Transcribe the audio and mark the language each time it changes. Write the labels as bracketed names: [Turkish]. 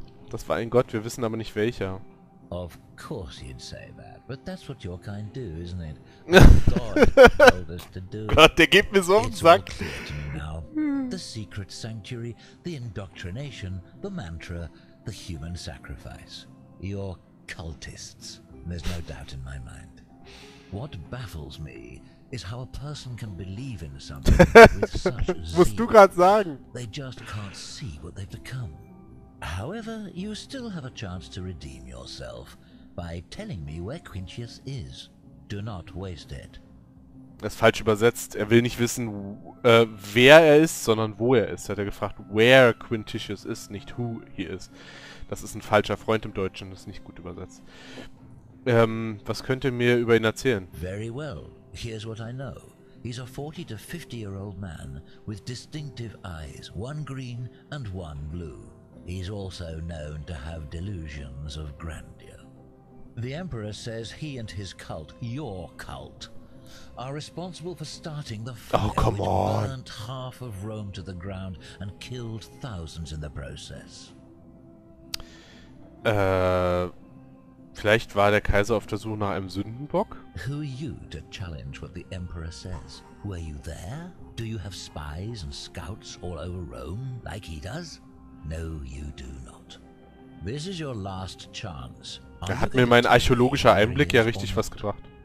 [German] Das war ein Gott, wir wissen aber nicht welcher. [English] Of course you'd say that, but that's what your kind do, isn't it? God told us to do. [German] Gott, der gibt mir so auf den Sack. [English] The secret sanctuary, the indoctrination, the mantra, the human sacrifice. You're cultists. There's no doubt in my mind. What baffles me is how a person can believe in something with such zeal. [German] Musst du gerade sagen? [English] They just can't see what they've become. However, you still have a chance to redeem yourself by telling me where Quintius is. Do not waste it. [German] Das ist falsch übersetzt. Er will nicht wissen, wer er ist, sondern wo er ist. Hat er gefragt, [English] where Quintius is, [German] nicht [English] who he is. [German] Das ist ein falscher Freund im Deutschen, das ist nicht gut übersetzt. Was könnt ihr mir über ihn erzählen? [English] Very well. Here's what I know. He's a 40 to 50 year old man with distinctive eyes, one green and one blue. He's also known to have delusions of grandeur. The Emperor says he and his cult, your cult, are responsible for starting the fire. Oh, come which on. Burnt half of Rome to the ground and killed thousands in the process. [German] Vielleicht war der Kaiser auf der Suche nach einem Sündenbock? [English] Who are you to challenge what the Emperor says? Were you there? Do you have spies and scouts all over Rome, like he does? No, you do not. This is your last chance. [German] Da hat mir mein archäologischer Einblick ja richtig was gebracht.